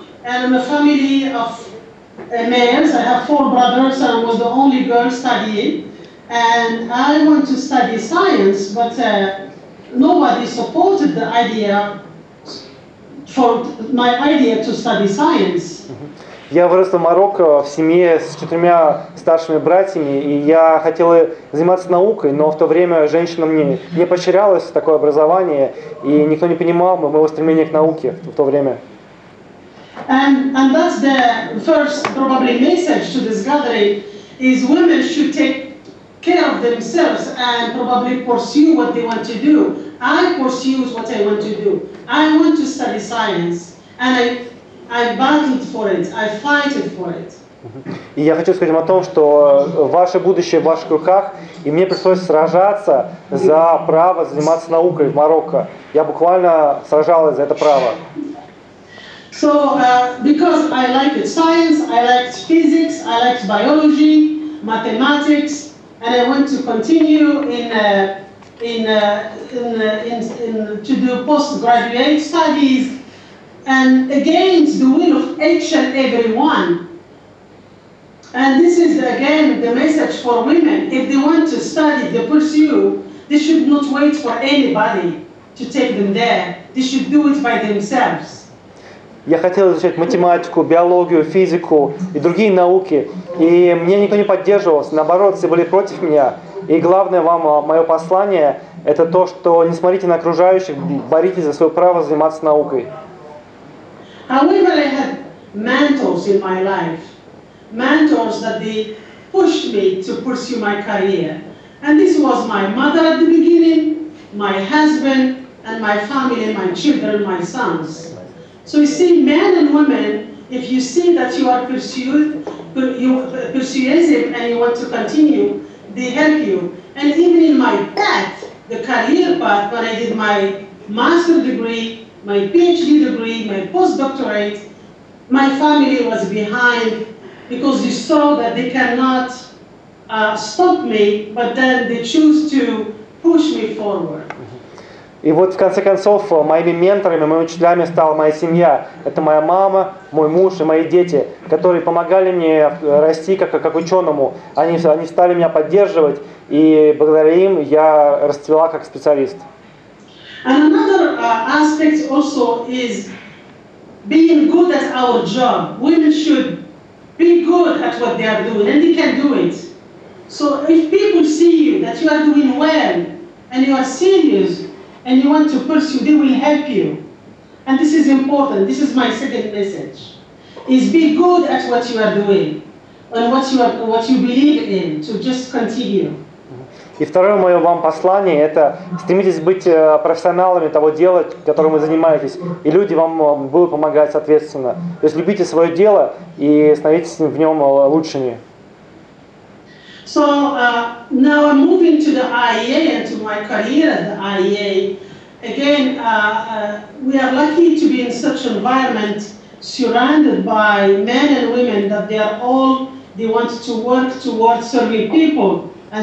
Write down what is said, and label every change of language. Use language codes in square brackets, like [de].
[en] And I'm a family of males. I have four brothers, and I was the only girl studying. And I want to study science, but nobody supported the idea for my idea to study science. [ru] Я вырос в Марокко в семье с четырьмя старшими братьями, и я хотел заниматься наукой, но в то время женщинам не поощрялось такое образование, и никто не понимал моего стремления к науке в то время. [en] And that's the first probably message to this gathering is women should take care of themselves and probably pursue what they want to do. I pursue what I want to do. I want to study science, and I battled for it. I fight for it. [ru] И я хочу сказать вам о том, что ваше будущее в ваших руках, и мне пришлось сражаться за право заниматься наукой в Марокко. Я буквально сражалась за это право. [en] So, because I like science, I like physics, I like biology, mathematics, and I want to continue in to do postgraduate studies, and against the will of each and every one. And this is again the message for women. If they want to study, they pursue, they should not wait for anybody to take them there. They should do it by themselves. [ru] Я хотел изучать математику, биологию, физику и другие науки. И мне никто не поддерживал. Наоборот, все были против меня. И главное вам мое послание это то, что не смотрите на окружающих, боритесь за свое право заниматься наукой. [en] However, I had mentors in my life. Mentors that they pushed me to pursue my career. And this was my mother at the beginning, my husband, and my family, my children, my sons. So you see, men and women, if you see that you are pursued, you persuasive and you want to continue, they help you. And even in my path, the career path, when I did my master's degree, my PhD degree, my postdoctorate, my family was behind. Because they saw that they cannot stop me, but then they choose to push me forward. [ru] И вот в конце концов моими менторами, моими учителями стала моя семья. Это моя мама, мой муж и мои дети, которые помогали мне расти как ученому. Они стали меня поддерживать, и благодаря им я расцвела как специалист. [en] And another aspect also is being good at our job. Women should be good at what they are doing, and they can do it. So if people see you, that you are doing well, and you are serious, and you want to pursue, they will help you. And this is important, this is my second message. Is be good at what you are doing, and what you believe in, to just continue. [ru] И второе мое вам послание – это стремитесь быть профессионалами того дела, которым вы занимаетесь, и люди вам будут помогать соответственно. То есть любите свое дело и становитесь в нем лучшими. [en] So now I'm moving to the IEA and to my career at the IEA. Again, we are lucky to be in such an environment surrounded by men and women that they are all they want to work towards serving people.